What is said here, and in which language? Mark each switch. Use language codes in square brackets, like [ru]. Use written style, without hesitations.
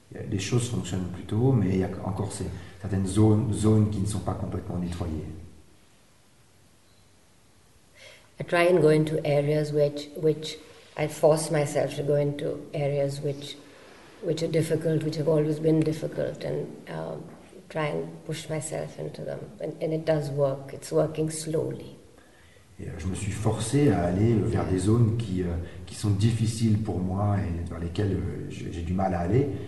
[fr] Les choses fonctionnent plutôt, mais il y a encore certaines zones qui ne sont pas complètement nettoyées. [en] I try and go into areas which I force myself to go into areas which are difficult, which have always been difficult, and try and push myself into them. And it does work. It's working slowly. [fr] Et je me suis forcé à aller vers des zones qui sont difficiles pour moi et vers lesquelles j'ai du mal à aller.